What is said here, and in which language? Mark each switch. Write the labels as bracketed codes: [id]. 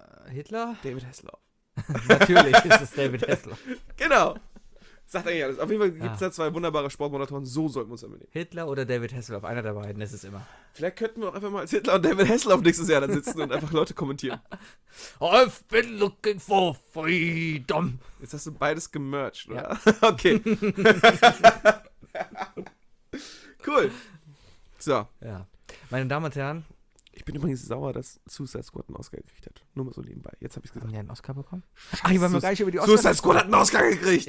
[de] Hitler? David Hasselhoff. Natürlich ist es David Hasselhoff. Genau. Sagt eigentlich alles. Auf jeden Fall gibt es da zwei wunderbare Sportmoderatoren. So sollten wir uns übernehmen. Hitler oder David Hasselhoff. Einer der beiden ist es immer. Vielleicht könnten wir auch einfach mal als Hitler und David Hasselhoff nächstes Jahr dann sitzen und einfach Leute kommentieren. [en] I've been looking for freedom. [de] Jetzt hast du beides gemerged, oder? Ja. Okay. Cool. So. Ja. Meine Damen und Herren. Ich bin übrigens sauer, dass Suicide Squad einen Oscar gekriegt hat. Nur mal so nebenbei. Jetzt habe ich es gesagt. Haben die einen Oscar bekommen? Scheiße. Ich war mir gar nicht über die Oscars. Suicide Squad hat einen Oscar gekriegt.